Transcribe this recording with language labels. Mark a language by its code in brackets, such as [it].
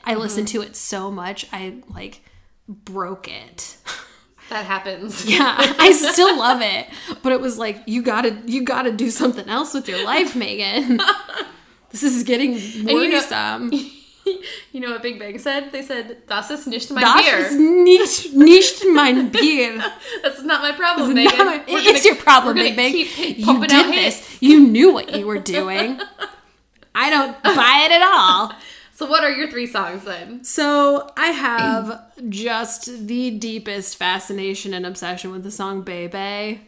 [en] I listened to it so much I like broke it. That happens. Yeah, I still love it, but it was like you gotta do something else with your life, Megan. This is getting worrisome. You know what Big Bang said? They said, [de] "Das ist nicht mein Bier." Das ist nicht mein Bier. [en] That's not my problem, Megan. It's your problem, Big Bang. You did this. You knew what you were doing. I don't buy it at all. So what are your three songs then? So I have just the deepest fascination and obsession with the song Bebe.